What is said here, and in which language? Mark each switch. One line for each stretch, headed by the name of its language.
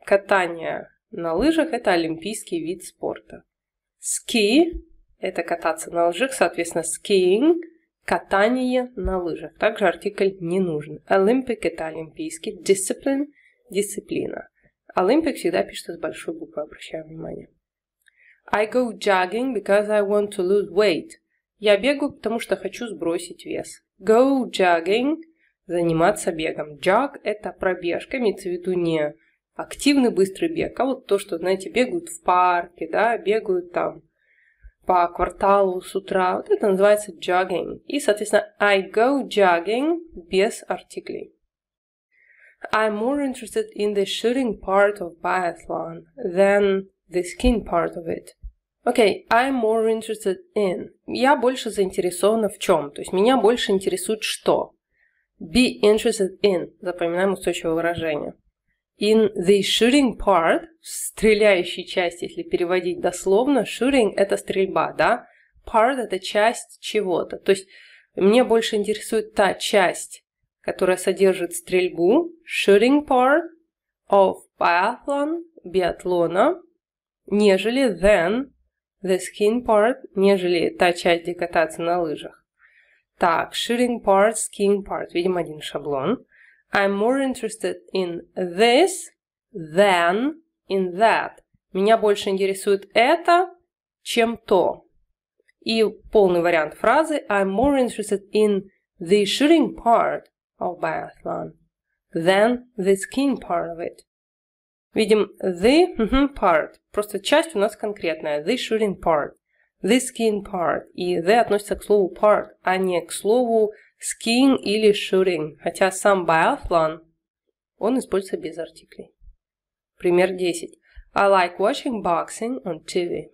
Russian: Катание на лыжах – это олимпийский вид спорта. Ski – это кататься на лыжах, соответственно, skiing – катание на лыжах. Также артикль не нужен. Olympic – это олимпийский, discipline – дисциплина. Olympic всегда пишется с большой буквы, обращаю внимание.
English: I go jogging because I want to lose weight.
Russian: Я бегаю, потому что хочу сбросить вес. Go jogging – заниматься бегом. Jog – это пробежка, имеется в виду не активный быстрый бег, а вот то, что, знаете, бегают в парке, да, бегают там по кварталу с утра. Вот это называется jogging. И, соответственно,
English: I go jogging
Russian: без артиклей.
English: I'm more interested in the shooting part of biathlon than the skiing part of it. Okay, I'm more interested in.
Russian: Я больше заинтересована в чем? То есть меня больше интересует что?
English: Be interested in.
Russian: Запоминаем устойчивое выражение.
English: In the shooting part,
Russian: в стреляющей части, если переводить дословно, shooting – это стрельба, да? Part – это часть чего-то. То есть мне больше интересует та часть, которая содержит стрельбу,
English: shooting part of biathlon,
Russian: биатлона, нежели than,
English: the skiing part,
Russian: нежели та часть, где кататься на лыжах. Так, shooting part, skiing part, видим один шаблон.
English: I'm more interested in this than in that.
Russian: Меня больше интересует это, чем то. И полный вариант фразы.
English: I'm more interested in the shooting part of biathlon than the skiing part of it.
Russian: Видим the part. Просто часть у нас конкретная.
English: The shooting part. The skiing part.
Russian: И the относится к слову part, а не к слову skiing или shooting. Хотя сам biathlon, он используется без артиклей. Пример 10.
English: I like watching boxing on TV.